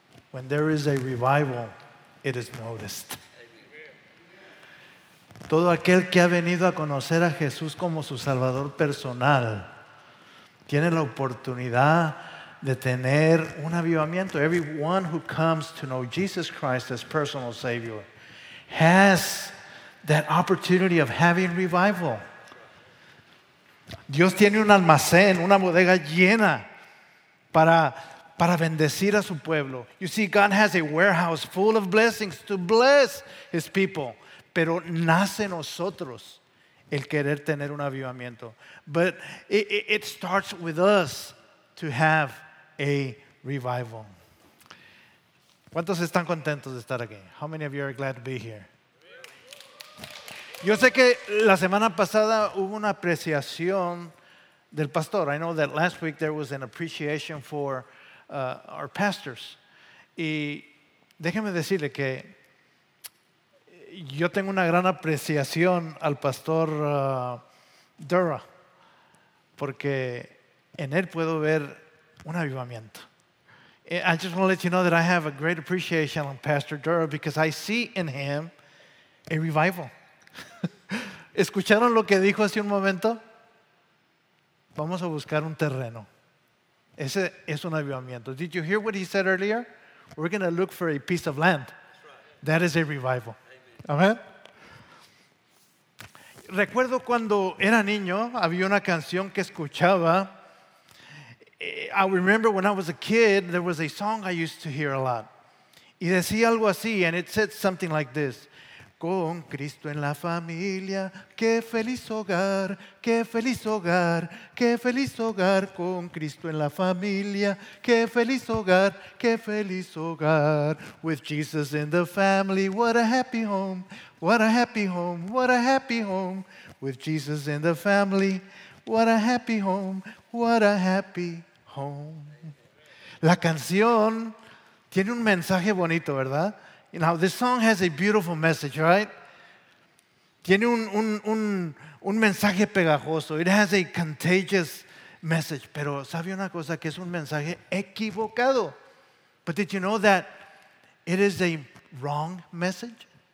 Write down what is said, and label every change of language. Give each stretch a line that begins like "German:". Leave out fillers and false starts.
English: When there is a revival, it is noticed.
Spanish: Todo aquel que ha venido a conocer a Jesús como su Salvador personal tiene la oportunidad de tener un avivamiento.
English: Everyone who comes to know Jesus Christ as personal Savior has that opportunity of having revival.
Spanish: Dios tiene un almacén, una bodega llena para bendecir a su pueblo.
English: You see, God has a warehouse full of blessings to bless his people.
Spanish: Pero nace nosotros el querer tener un avivamiento.
English: But it starts with us to have a revival.
Spanish: ¿Cuántos están contentos de estar aquí?
English: How many of you are glad to be here?
Spanish: Yo sé que la semana pasada hubo una apreciación del pastor.
English: I know that last week there was an appreciation for our pastors.
Spanish: Y déjeme decirle que yo tengo una gran apreciación al pastor Dura, porque en él puedo ver un avivamiento.
English: I just want to let you know that I have a great appreciation on Pastor Dura because I see in him a revival.
Spanish: ¿Escucharon lo que dijo hace un momento? Vamos a buscar un terreno. Ese es un avivamiento.
English: Did you hear what he said earlier? We're going to look for a piece of land. That is a revival. Amen.
Spanish: Recuerdo cuando era niño, había una canción que escuchaba.
English: I remember when I was a kid, there was a song I used to hear a lot.
Spanish: Y decía algo así,
English: and it said something like this.
Spanish: Con Cristo en la familia, qué feliz hogar, qué feliz hogar, qué feliz hogar. Con Cristo en la familia, qué feliz hogar, qué feliz hogar.
English: With Jesus in the family, what a happy home, what a happy home, what a happy home. With Jesus in the family, what a happy home, what a happy home.
Spanish: La canción tiene un mensaje bonito, ¿verdad?
English: Now, this song has a beautiful message, right?
Spanish: Tiene un mensaje pegajoso.
English: It has a contagious message.
Spanish: Pero sabe una cosa, que es un mensaje equivocado.
English: But did you know that it is a wrong message?